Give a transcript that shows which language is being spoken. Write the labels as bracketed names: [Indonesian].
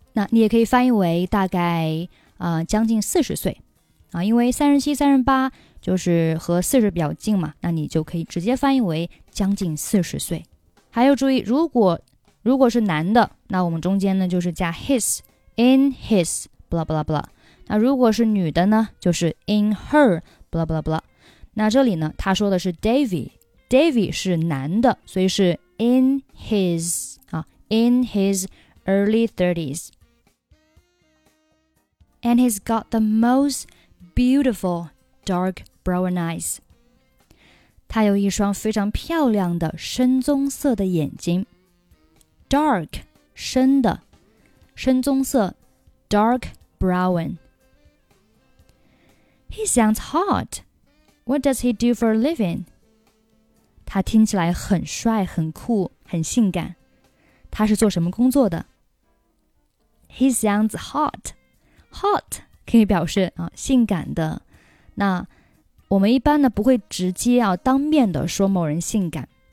[Chinese] 那你也可以翻译为大概将近四十岁啊，因为三十七、三十八就是和四十比较近嘛，那你就可以直接翻译为将近四十岁。还要注意，如果是男的，那我们中间呢就是加 his, [English] in his, blah blah blah。 [Chinese] 那如果是女的呢，就是 [English] in her, blah blah blah。 [Chinese] 那这里呢，他说的是 David 是男的，所以是 [English] in his, in his early 30s. And he's got the most beautiful dark brown eyes. [Chinese] 他有一双非常漂亮的深棕色的眼睛。 Dark, 深的，深棕色 ,dark brown. [English] He sounds hot. What does he do for a living? [Chinese] 他听起来很帅、很酷、很性感。他是做什么工作的 [English] ？He sounds hot. [Chinese] Hot 可以表示性感的。那我们一般呢不会直接当面的说某人性感。